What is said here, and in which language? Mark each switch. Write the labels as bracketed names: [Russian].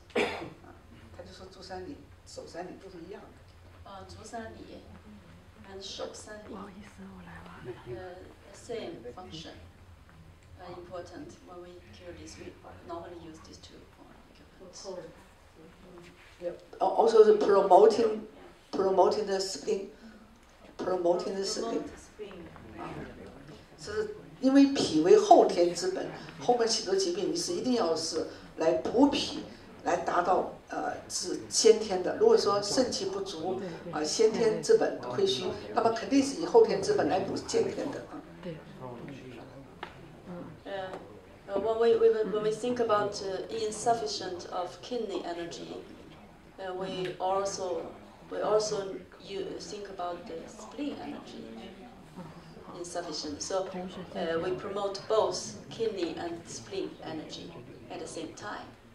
[Chinese] 他就说足三里手三里都是一样的。足三里还是手三里。不好意思我来了。 [English] Same function, important when we cure this, we normally use these two points. Yeah. Also the promoting the spleen, promoting the spleen. [Chinese] So, 因为脾为后天之本，后面许多疾病你是一定要是来补脾，来达到治先天的。如果说肾气不足，先天之本亏虚，那么肯定是以后天之本来补先天的。对。嗯。 [English] When we think about insufficient of kidney energy, we also you think about the spleen energy. Insufficient. So we promote both kidney and spleen energy at the same time.